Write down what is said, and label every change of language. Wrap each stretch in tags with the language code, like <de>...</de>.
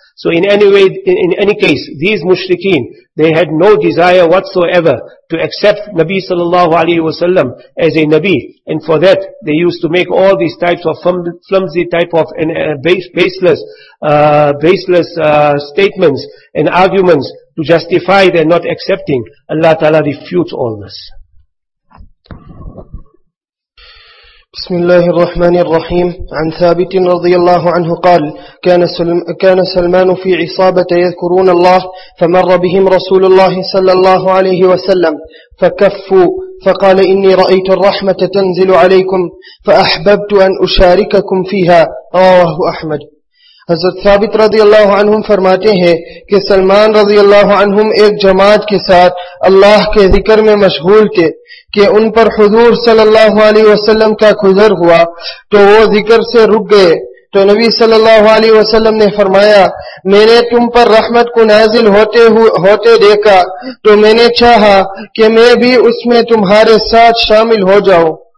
<en>So in any case, these mushrikeen, they had no desire whatsoever to accept Nabi sallallahu alayhi wa sallam as a Nabi. And for that, they used to make all these types of flimsy type of baseless statements and arguments to justify their not accepting. Allah Ta'ala refutes all this.</en> <ar>بسم الله الرحمن الرحيم عن ثابت رضي الله عنه قال كان سلمان في عصابة يذكرون الله فمر بهم رسول الله صلى الله عليه وسلم فكفوا فقال إني رأيت الرحمة تنزل عليكم فأحببت أن أشارككم فيها رواه أحمد.</ar> <ur>حضرت ثابت رضی اللہ عنہم فرماتے ہیں کہ سلمان رضی اللہ عنہم ایک جماعت کے ساتھ اللہ کے ذکر میں مشغول تھے کہ ان پر حضور صلی اللہ علیہ وسلم کا گزر ہوا تو وہ ذکر سے رک گئے تو نبی صلی اللہ علیہ وسلم نے فرمایا میں نے تم پر رحمت کو نازل ہوتے دیکھا تو میں نے چاہا کہ میں بھی اس میں تمہارے ساتھ شامل ہو جاؤں.</ur>